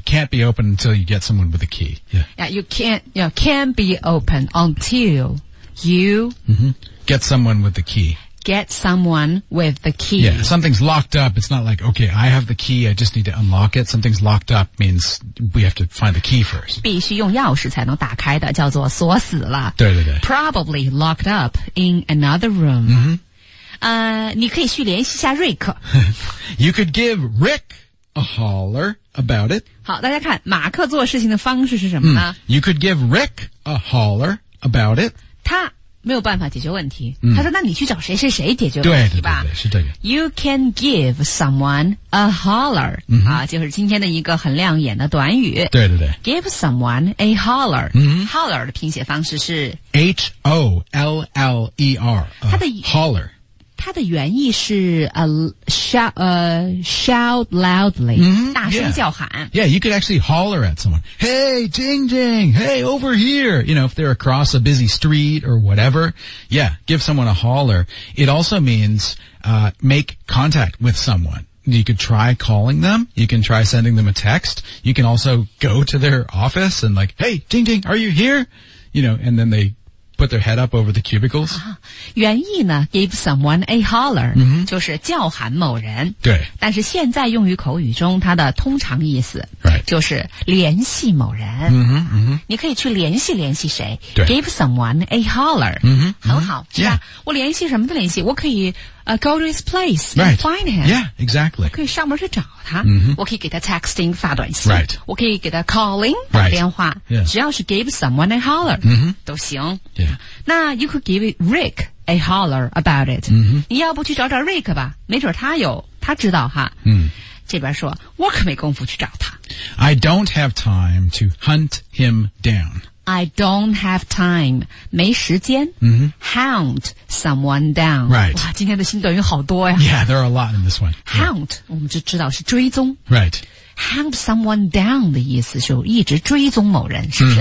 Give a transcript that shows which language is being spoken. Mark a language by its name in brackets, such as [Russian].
[English] Can't be open until you get someone with a key. Yeah, yeah you can't, you know, can be open until you、 mm-hmm. get someone with the key. Get someone with the key. Yeah, something's locked up. It's not like, okay, I have the key. I just need to unlock it. Something's locked up means we have to find the key first. [Chinese] 必须用钥匙才能打开的叫做锁死了。对对对。 [English] Probably locked up in another room. Mm-hmm. [Chinese] 你可以去联系一下瑞克。 [English] You could give Rick a holler about it. [Chinese] 好，大家看，马克做事情的方式是什么呢、 [English] 嗯、？You could give Rick a holler about it. [Chinese] 他没有办法解决问题。嗯、他说：“那你去找谁谁谁解决问题吧。” 对对对，是这个。 [English] You can give someone a holler.、嗯、 [Chinese] 啊，就是今天的一个很亮眼的短语。对对对。 [English] Give someone a holler.、嗯、 [Chinese] holler 的拼写方式是 [English] H-O-L-L-E-R. [Chinese] 他的 [English] holler. [Chinese] 它的原意是 [English] shout loudly,、 mm-hmm. [Chinese] 大声叫喊。 [English] Yeah. yeah, you could actually holler at someone. Hey, Jing Jing, hey, over here. You know, if they're across a busy street or whatever. Yeah, give someone a holler. It also means, make contact with someone. You could try calling them. You can try sending them a text. You can also go to their office and like, hey, Jing Jing, are you here? You know, and then they,put their head up over the cubicles.、 [Chinese] 啊、原意呢 , [English] give someone a holler,、 mm-hmm. [Chinese] 就是叫喊某人。对。但是现在用于口语中它的通常意思、 [English] right. [Chinese] 就是联系某人。 Mm-hmm, mm-hmm. 你可以去联系联系谁。对。 [English] give someone a holler. Mm-hmm, [Chinese] 很好、 mm-hmm. 是吧、 [English] yeah. [Chinese] 我联系什么的联系我可以、 [English] go to his place and、 find him. Yeah, exactly. [Chinese] 我可以上门去找他、 mm-hmm. 我可以给他 texting 发短信。 [English] Right. [Chinese] 我可以给他 calling 打电话。 [English] Right. Yeah. [Chinese] 只要是 [English] give someone a holler,、 mm-hmm. [Chinese] 都行。 [English] Yeah. 那 you could give Rick a holler about it、 mm-hmm. [Chinese] 你要不去找找 Rick 吧没准他有他知道哈、嗯、这边说我可没功夫去找他 [English] I don't have time to hunt him down I don't have time [Chinese] 没时间、 mm-hmm. [English] hunt someone down、 right. [Chinese] 哇今天的新短语好多呀 [English] Yeah, there are a lot in this one [Chinese] hunt、yeah. 我们就知道是追踪 [English] Right Hunt someone down [Chinese] 的意思就一直追踪某人是不是、